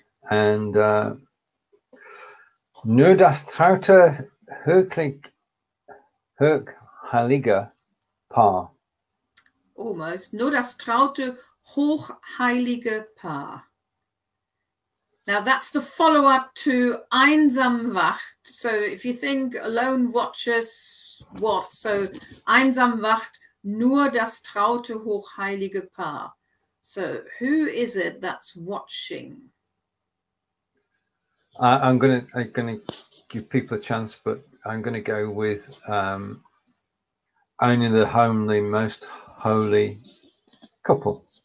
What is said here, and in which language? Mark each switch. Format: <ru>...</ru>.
<de>And nur das traute Hirk Heilige Paar. Almost. Nur das traute Hochheilige Paar.</de> <en>Now that's the follow-up to</en> <de>Einsam Wacht.</de> <en>So if you think alone watches what?</en> <de>So Einsam Wacht. Nur das traute hochheilige Paar.</de> <en>So who is it that's watching? I'm gonna give people a chance, but I'm gonna go with only the homely, most holy couple.</en>